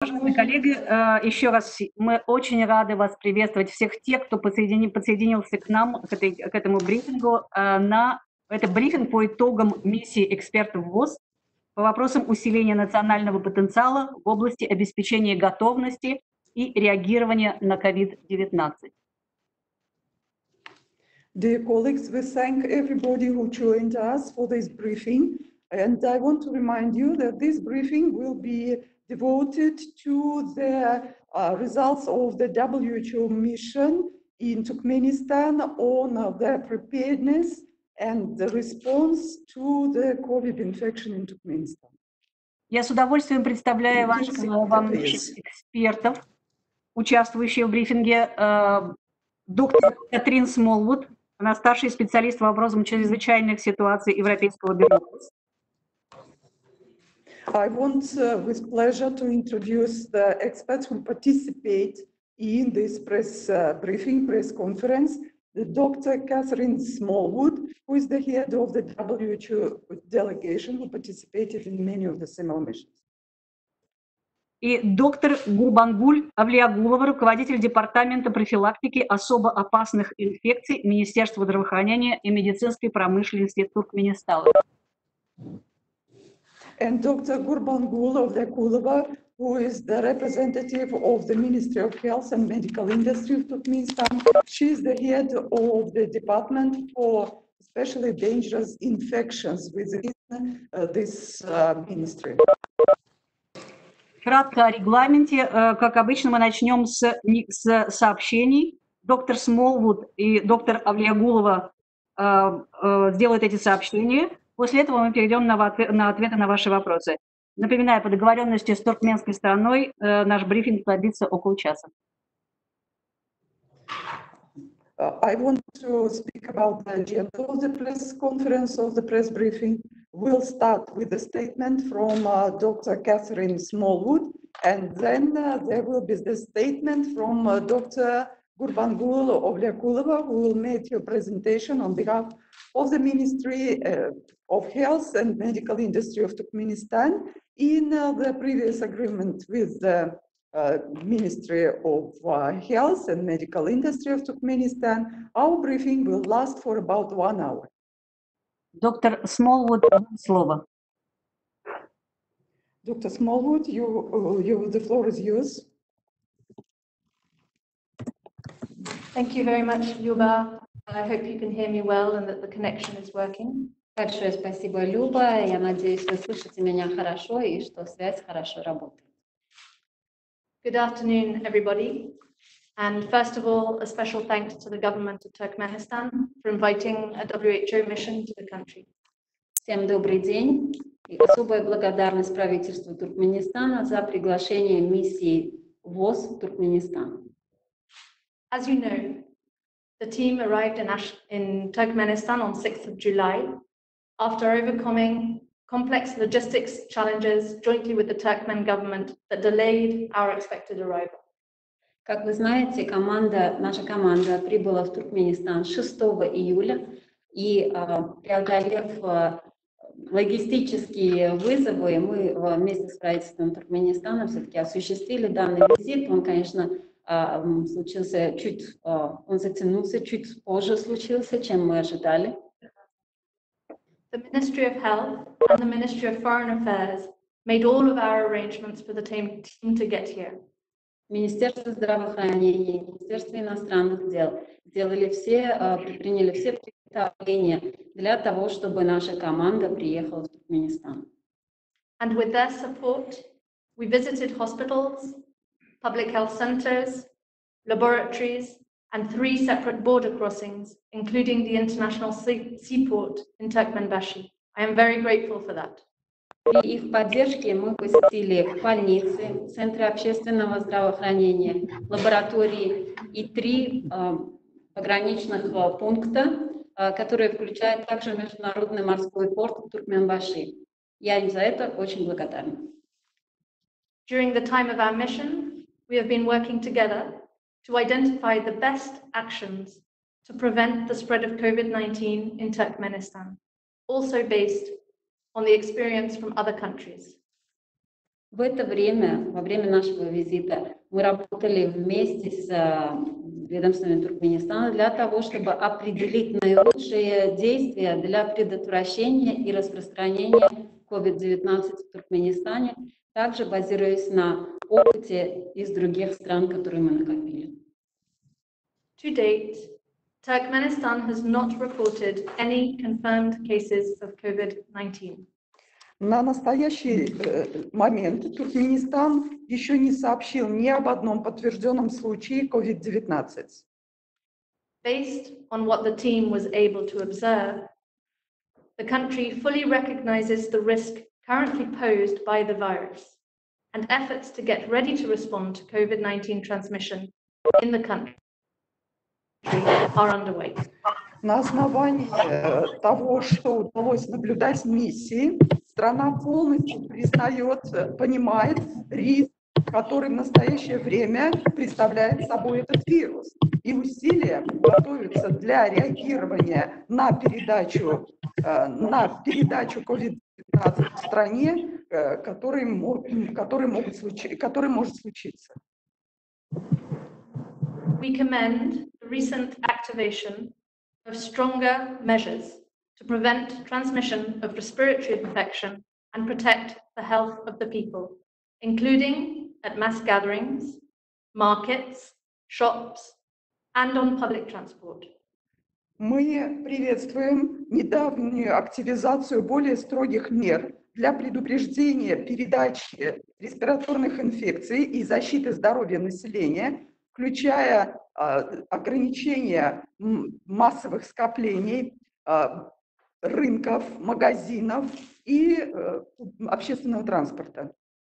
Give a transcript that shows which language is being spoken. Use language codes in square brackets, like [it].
[ru] Уважаемые коллеги, еще раз мы очень рады вас приветствовать, всех тех, кто подсоединился к нам, к этому брифингу. Это брифинг по итогам миссии экспертов ВОЗ по вопросам усиления национального потенциала в области обеспечения готовности и реагирования на COVID-19. [en] Dear colleagues, we thank everybody who joined us for this briefing. And I want to remind you that this briefing will be devoted to the results of the WHO mission in Turkmenistan on the preparedness and the response to the COVID infection in Turkmenistan. [ru] Я с удовольствием представляю вам экспертов, участвующих в брифинге. Доктор Катрин Смолвуд, она старший специалист по вопросам чрезвычайных ситуаций Европейского бюро. [en] I want with pleasure to introduce the experts who participate in this press conference. The Dr. Catherine Smallwood, who is the head of the WHO delegation, who participated in many of the similar missions. [ru] И доктор Гурбангуль Авлиягулова, руководитель департамента профилактики особо опасных инфекций Министерства здравоохранения и медицинской промышленности Туркменистана. [en] And Dr. Gurbangul Avliagulova, who is the representative of the Ministry of Health and Medical Industry of Turkmenistan. She is the head of the Department for Especially Dangerous Infections within this ministry. [ru] Кратко о регламенте. Как обычно, мы начнем с сообщений. Доктор Смолвуд и доктор Авлиягулова сделают эти сообщения. После этого мы перейдем на ответы на ваши вопросы. Напоминаю, по договоренности с туркменской стороной наш брифинг продлится около часа. [en] I want to speak about the agenda of the press conference, of the press briefing. We'll start with a statement from Dr. Catherine Smallwood, and then there will be the statement from Dr. Gurbangul Avliagulova, who will make your presentation on behalf of the Ministry of Health and Medical Industry of Turkmenistan in the previous agreement with the Ministry of Health and Medical Industry of Turkmenistan. Our briefing will last for about 1 hour. [ru] Dr. Smallwood, слово. [en] Dr. Smallwood, the floor is yours. Thank you very much, Luba. I hope you can hear me well and that the connection is working. [ru] Большое спасибо, Люба. Я надеюсь, вы слышите меня хорошо и что связь хорошо работает. [en] Good afternoon, everybody. And first of all, a special thanks to the government of Turkmenistan for inviting a WHO mission to the country. [ru] Всем добрый день. И особая благодарность правительству Туркменистана за приглашение миссии ВОЗ в Туркменистан. [en] As you know, the team arrived in Turkmenistan on 6th of July after overcoming complex logistics challenges jointly with the Turkmen government that delayed our expected arrival. [ru] Как вы знаете, наша команда прибыла в Туркменистан 6 июля и преодолев логистические вызовы, мы вместе с правительством Туркменистана все-таки осуществили данный визит. Он, конечно, затянулся чуть позже, чем мы ожидали. [en] The Ministry of Health and the Ministry of Foreign Affairs made all of our arrangements for the team to get here. [ru] Министерство здравоохранения, Министерство иностранных дел приняли все приготовления для того, чтобы наша команда приехала в Туркменистан. [en] And with their support, we visited hospitals, public health centers, laboratories, and 3 separate border crossings, including the international seaport in Turkmenbashi. I am very grateful for that. [ru] При их поддержке мы посетили больницы, центры общественного здравоохранения, лаборатории и 3 пограничных пункта, которые включают также международный морской порт в Туркменбаши. Я им за это очень благодарна. [en] During the time of our mission, we have been working together to identify the best actions to prevent the spread of COVID-19 in Turkmenistan, also based on the experience from other countries. [ru] В это время, во время нашего визита, мы работали вместе с ведомствами Туркменистана для того, чтобы определить наилучшие действия для предотвращения и распространения COVID-19 в Туркменистане, также базируясь на опыте из других стран, которые мы накопили. [en] To date, Turkmenistan has not reported any confirmed cases of COVID-19. [ru] На настоящий момент Туркменистан еще не сообщил ни об одном подтвержденном случае COVID-19. [en] Based on what the team was able to observe, the country fully recognizes the risk currently posed by the virus, and efforts to get ready to respond to COVID-19 transmission in the country are underway. [ru] На основании того, что удалось наблюдать в миссии, страна полностью признает, понимает риск, который в настоящее время представляет собой этот вирус. И усилия готовятся для реагирования на передачу COVID-19 в стране, который может случиться. [en] We commend the recent activation of stronger measures to prevent transmission of respiratory infection and protect the health of the people, including at mass gatherings, markets, shops, and on public transport. [ru] Мы приветствуем недавнюю активизацию более строгих мер для предупреждения передачи респираторных инфекций и защиты здоровья населения, включая ограничение массовых скоплений, рынков, магазинов и общественного транспорта.